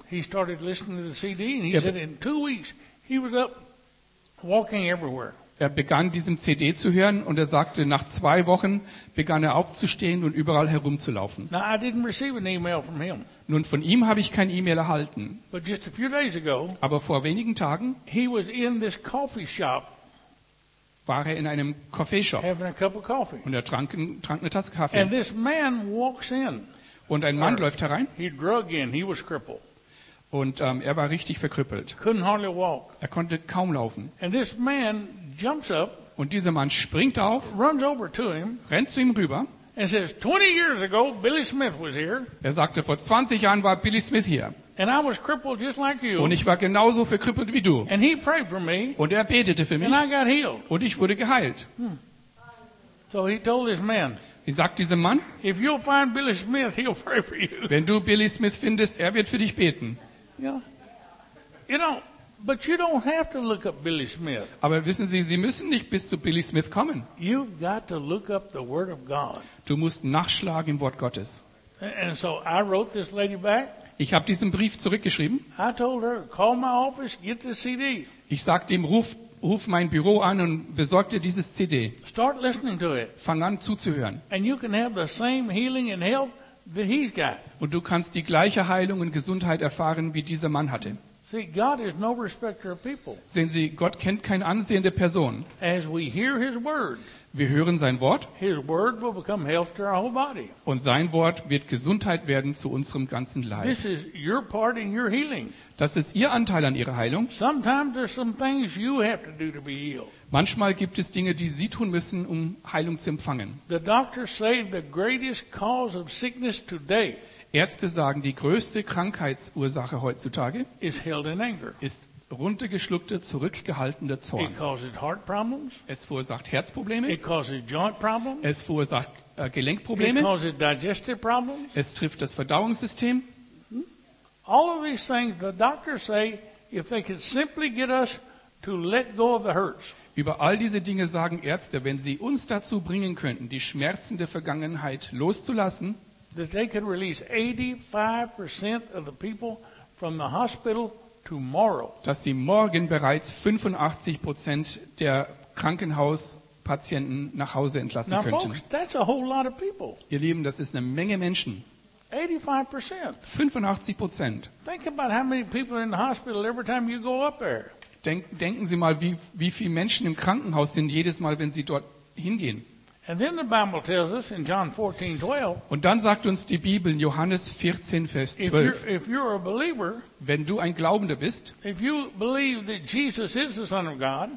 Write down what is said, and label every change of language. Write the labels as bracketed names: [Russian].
[English] He started listening to the CD and he said in 2 weeks he was up walking everywhere. [German] Er begann diesen CD zu hören und er sagte, nach 2 Wochen begann er aufzustehen und überall herumzulaufen. [English] Now, I didn't receive an email from him. [German] Nun, von ihm habe ich kein E-Mail erhalten. [English] But just a few days ago, [German] aber vor wenigen Tagen, [English] he was in this coffee shop, [German] war er in einem Coffeeshop, [English] having a cup of coffee. [German] Und er trank eine Tasse Kaffee. [English] And this man walks in. [German] Und ein Mann läuft herein. [English] He drug in. He was crippled. [German] Und er war richtig verkrüppelt. [English] Couldn't hardly walk. [German] Er konnte kaum laufen. [English] And this man jumps up, [German] und dieser Mann springt auf, [English] runs over to him, [German] rennt zu ihm rüber. [English] And says, 20 years ago, Billy Smith was here. [German] Er sagte, vor 20 Jahren war Billy Smith hier. [English] And I was crippled just like you. [German] Und ich war genauso verkrüppelt wie du. [English] And he prayed for me, [German] und er betete für mich. [English] And I got healed. [German] Und ich wurde geheilt. [English] So he told this man, [German] wie sagt dieser Mann? [English] If you'll find Billy Smith, he'll pray for you. [German] Wenn du Billy Smith findest, er wird für dich beten. [English] Yeah. You know, but you don't have to look up Billy Smith. [German] Aber wissen Sie, Sie müssen nicht bis zu Billy Smith kommen. [English] You've got to look up the Word of God. [German] Du musst nachschlagen im Wort Gottes. [English] And so I wrote this lady back. [German] Ich habe diesen Brief zurückgeschrieben. [English] I told her, call my office, get the CD. [German] Ich sagte ihm, ruf mein Büro an und besorg dir dieses CD. [English] Start listening to it. [German] Fang an zuzuhören. [English] And you can have the same healing and help that he's got. [German] Und du kannst die gleiche Heilung und Gesundheit erfahren, wie dieser Mann hatte. [English] See, God is no respecter of people. [German] Sehen Sie, Gott kennt keine ansehende Person. [English] As we hear his word, [German] wir hören sein Wort. [English] His word will become health to our whole body. [German] Und sein Wort wird Gesundheit werden zu unserem ganzen Leib. [English] This is your part in your healing. [German] Das ist Ihr Anteil an Ihrer Heilung. [English] Sometimes there's some things you have to do to be healed. [German] Manchmal gibt es Dinge, die Sie tun müssen, um Heilung zu empfangen. [English] The doctors say the greatest cause of sickness today. [German] Ärzte sagen, die größte Krankheitsursache heutzutage ist runtergeschluckter, zurückgehaltener Zorn. Es verursacht Herzprobleme. Es verursacht Gelenkprobleme. Es trifft das Verdauungssystem. [English] All of these things, the doctors say, if they could simply get us to let go of the hurts. [German] Über all diese Dinge sagen Ärzte, wenn sie uns dazu bringen könnten, die Schmerzen der Vergangenheit loszulassen, [English] that they could release 85% of the people from the hospital tomorrow. [German] Dass sie morgen bereits 85% der Krankenhauspatienten nach Hause entlassen könnten. [English] Now, folks, that's a whole lot of people. [German] Ihr Lieben, das ist eine Menge Menschen. [English] 85%. [German] 85%. [English] Think about how many people are in the hospital every time you go up there. [German] Denken Sie mal, wie viele Menschen im Krankenhaus sind jedes Mal, wenn Sie dort hingehen. [English] And then the Bible tells us in John 14:12. [German] Und dann sagt uns die Bibel in Johannes 14, Vers 12. [English] If you're a believer, [German] wenn du ein Glaubender bist, [English] if you believe that Jesus is the Son of God,